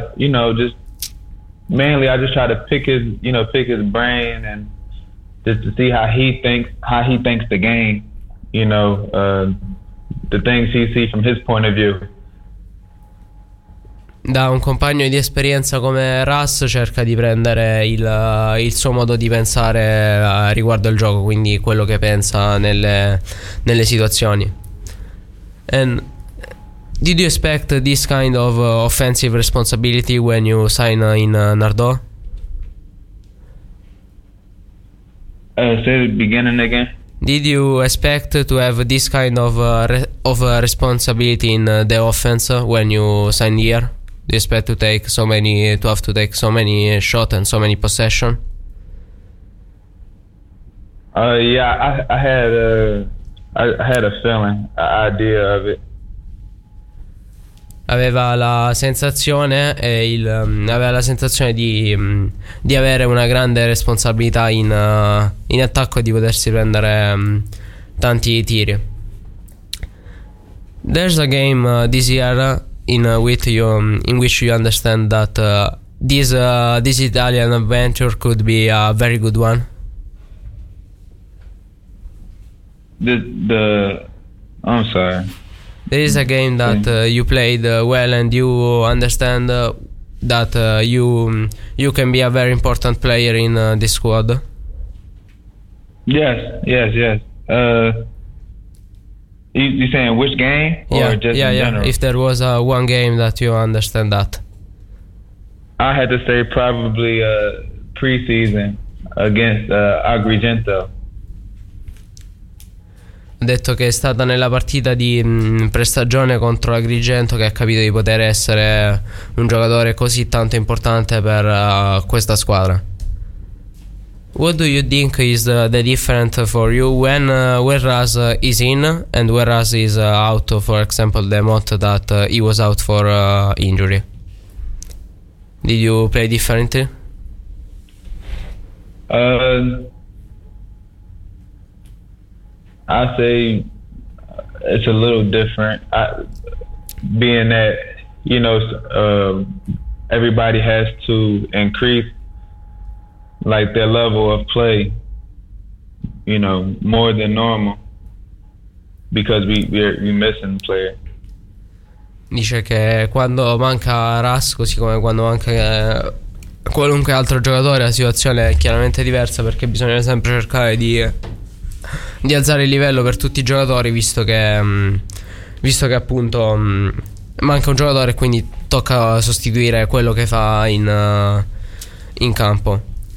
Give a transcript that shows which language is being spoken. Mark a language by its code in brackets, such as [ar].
[en] I just try to pick his brain, and just to see how he thinks the game, you know, the things he sees from his point of view. [it] Da un compagno di esperienza come Russ cerca di prendere il suo modo di pensare riguardo al gioco, quindi quello che pensa nelle situazioni. [en] And did you expect this kind of offensive responsibility when you sign in Nardò? Say the beginning again. Did you expect to have this kind of responsibility in the offense when you signed here? Do you expect to have to take so many shots and so many possession? Yeah, I had a feeling, an idea of it. [it] Aveva la sensazione e aveva la sensazione di avere una grande responsabilità in attacco e di potersi prendere tanti tiri. [en] There's a game this year in which you understand that this Italian adventure could be a very good one. I'm sorry. There is a game that you played well, and you understand that you can be a very important player in this squad. Yes. You saying which game? Or yeah, just yeah, in yeah. general? If there was a one game that you understand that. I had to say probably preseason against Agrigento. [it] Detto che è stata nella partita di prestagione contro Agrigento che ha capito di poter essere un giocatore così tanto importante per questa squadra. [en] What do you think is the difference for you when Werraz is in and Werraz is out, for example, the month that he was out for injury? Did you play differently? I say it's a little different. Being that, you know, everybody has to increase like their level of play, you know, more than normal because we're missing player. [it] Dice che quando manca Ras, così come quando manca qualunque altro giocatore, la situazione è chiaramente diversa perché bisogna sempre cercare di alzare il livello per tutti i giocatori, visto che appunto manca un giocatore, quindi tocca sostituire quello che fa in campo.